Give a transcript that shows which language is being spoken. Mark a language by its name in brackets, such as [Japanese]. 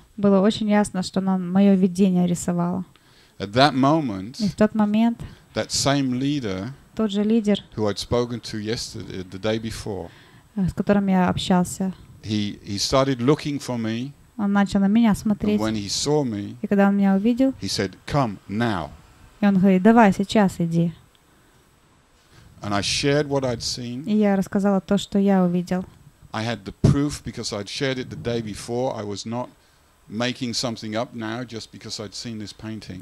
[Russian] Было очень ясно, что она моё видение рисовала. [English] At that moment. [Russian] И в тот момент. [English] That same leader. [Russian] Тот же лидер. [English] Who I'd spoken to yesterday, the day before. [Russian] С которым я общался. [English] He started looking for me. [Russian] Он начал на меня смотреть. [English] And when he saw me. [Russian] И когда он меня увидел. [English] He said, "Come now." [Russian] И он говорит: "Давай сейчас иди." [English] And I shared what I'd seen. [Russian] И я рассказала то, что я увидел. [English] I had the proof because I'd shared it the day before. I was not making something up now just because I'd seen this painting.